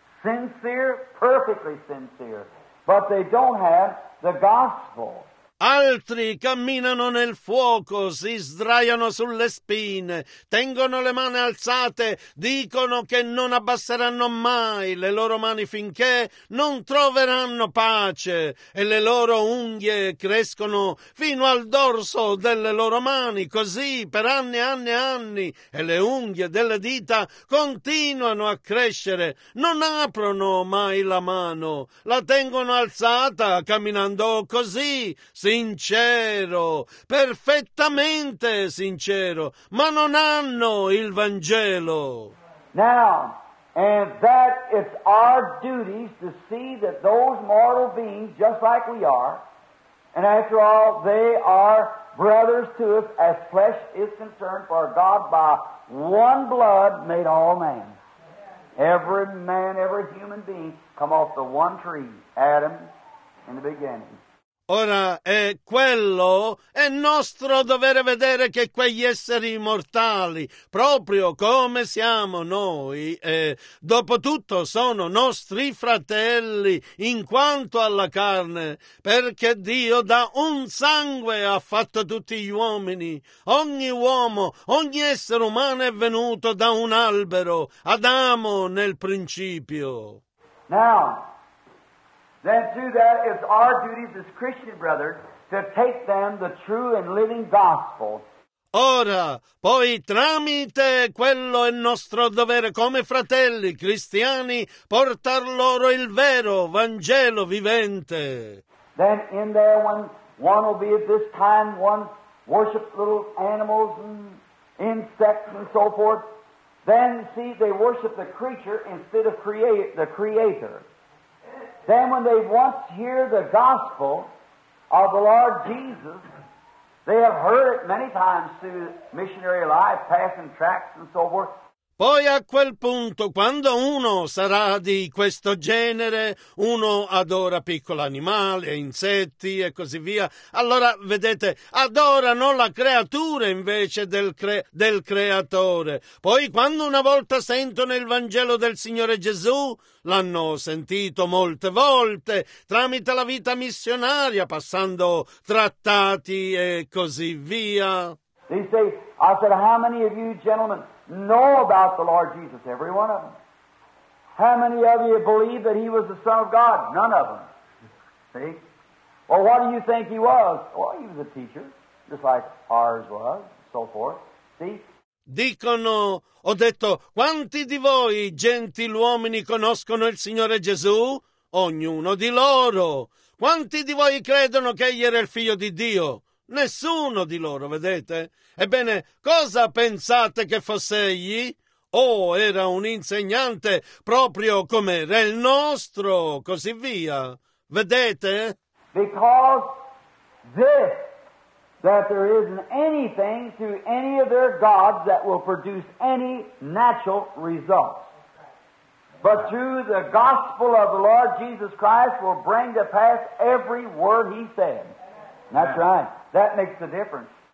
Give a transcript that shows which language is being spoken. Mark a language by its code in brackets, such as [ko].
[en] Sincere, perfectly sincere. But they don't have the gospel. [it] Altri camminano nel fuoco, si sdraiano sulle spine, tengono le mani alzate, dicono che non abbasseranno mai le loro mani finché non troveranno pace, e le loro unghie crescono fino al dorso delle loro mani, così per anni e anni e anni, e le unghie delle dita continuano a crescere, non aprono mai la mano, la tengono alzata camminando così. Sincero, perfettamente sincero, ma non hanno il Vangelo. [en] Now, and that it's our duty to see that those mortal beings, just like we are, and after all, they are brothers to us as flesh is concerned, for God by one blood made all men. Every man, every human being come off the one tree, Adam, in the beginning. [it] Ora è quello, è nostro dovere vedere che quegli esseri immortali, proprio come siamo noi, dopotutto sono nostri fratelli in quanto alla carne, perché Dio da un sangue ha fatto tutti gli uomini. Ogni uomo, ogni essere umano è venuto da un albero, Adamo nel principio. [en] Now. Then through that is our duty as Christian brothers to take them the true and living gospel. [it] Ora, poi tramite quello è nostro dovere come fratelli cristiani portar loro il vero Vangelo vivente. [en] Then in there one will be at this time, one worships little animals and insects and so forth. Then see, they worship the creature instead of the Creator. Then when they once hear the gospel of the Lord Jesus, they have heard it many times through missionary life, passing tracts and so forth. [it] Poi a quel punto, quando uno sarà di questo genere, uno adora piccoli animali, insetti e così via, allora, vedete, adorano la creatura invece del creatore. Poi quando una volta sentono il Vangelo del Signore Gesù, l'hanno sentito molte volte, tramite la vita missionaria, passando trattati e così via. [en] They say, I said, how many of you gentlemen know about the Lord Jesus? Every one of them. How many of you believe that he was the Son of God? None of them. See? Well, what do you think he was? Well, he was a teacher, just like ours was, so forth. See? [it] Dicono, ho detto, quanti di voi gentiluomini conoscono il Signore Gesù? Ognuno di loro. Quanti di voi credono che egli era il figlio di Dio? Nessuno di loro, vedete? Ebbene, cosa pensate che fosse egli? Oh, era un insegnante, proprio come era il nostro, così via. Vedete? [en] Because this, that there isn't anything to any of their gods that will produce any natural results. But through the gospel of the Lord Jesus Christ will bring to pass every word he said. That's right. That makes the difference.